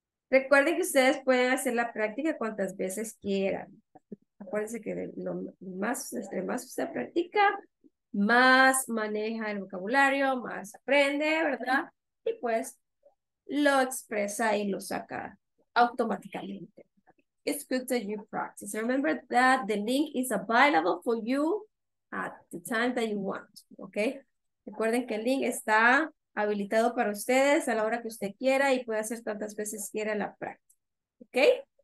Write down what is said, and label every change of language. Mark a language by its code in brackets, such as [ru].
[es] Recuerden que ustedes pueden hacer la práctica cuantas veces quieran. Acuérdense que entre más usted practica, más maneja el vocabulario, más aprende, ¿verdad? Y pues lo expresa y lo saca automáticamente. [en] It's good that you practice. Remember that the link is available for you at the time that you want, okay? [es] Recuerden que el link está habilitado para ustedes a la hora que usted quiera y puede hacer tantas veces quiera la práctica, okay?